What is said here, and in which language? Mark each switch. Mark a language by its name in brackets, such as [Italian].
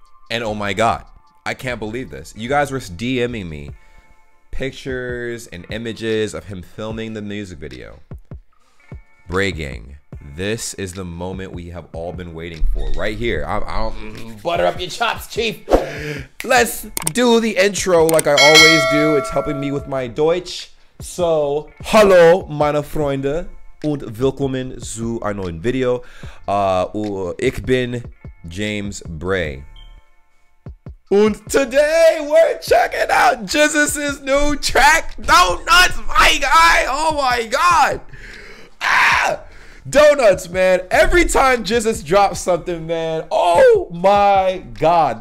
[English] And oh my God, I can't believe this. You guys were DMing me pictures and images of him filming the music video. BRAYGANG. This is the moment we have all been waiting for, right here. Butter up your chops, chief. Let's do the intro like I always do. It's helping me with my Deutsch. [German] So, hallo meine Freunde und willkommen zu einer neuen Video. Ich bin James Bray. [English] And today we're checking out Gzuz's new track. Donuts, my guy. Oh my God. Donuts, man. Every time Gzuz drops something, man. Oh my God.